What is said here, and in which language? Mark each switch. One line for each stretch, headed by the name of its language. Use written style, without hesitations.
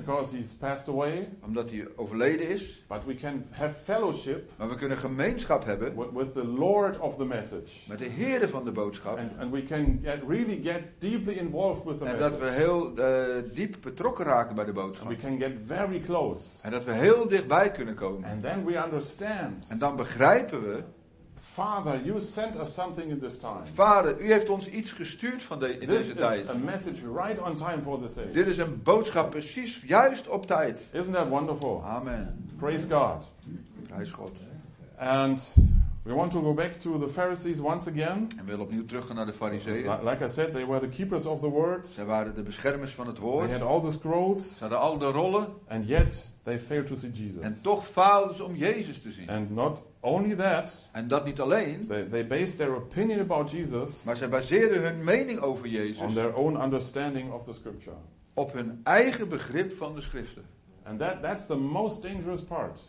English: Because he's passed away.
Dutch: Omdat hij overleden is.
English: But we can have fellowship.
Dutch: Maar we kunnen gemeenschap hebben.
English: With the Lord of the message.
Dutch: Met de Heere van de boodschap.
English: And we can really get deeply involved with the message.
Dutch: En dat we heel diep betrokken raken bij de boodschap.
English: And we can get very close.
Dutch: En dat we heel dichtbij kunnen komen.
English: And then we understand.
Dutch: En dan begrijpen.
English: Father, you sent us something in this time.
Dutch: Vader, u heeft ons iets gestuurd van in
English: this
Dutch: deze tijd.
English: This is a message right on time for this age.
Dutch: Dit is een boodschap precies juist op tijd.
English: Isn't that wonderful? Amen. Praise God.
Dutch: Prijs God.
English: And We want to go back to the Pharisees once again.
Dutch: En willen opnieuw teruggaan naar de Farizeeën.
English: Like I said, they were the keepers of the word.
Dutch: Ze waren de beschermers van het woord.
English: They had all the scrolls.
Dutch: Ze hadden al de rollen.
English: And yet they failed to see Jesus.
Dutch: En toch faalden ze om Jezus te zien.
English: And not only that.
Dutch: En dat niet alleen.
English: They based their opinion about Jesus.
Dutch: Maar ze baseerden hun mening over Jezus.
English: On their own understanding of the scripture.
Dutch: Op hun eigen begrip van de schriften.
English: And that's the most dangerous part.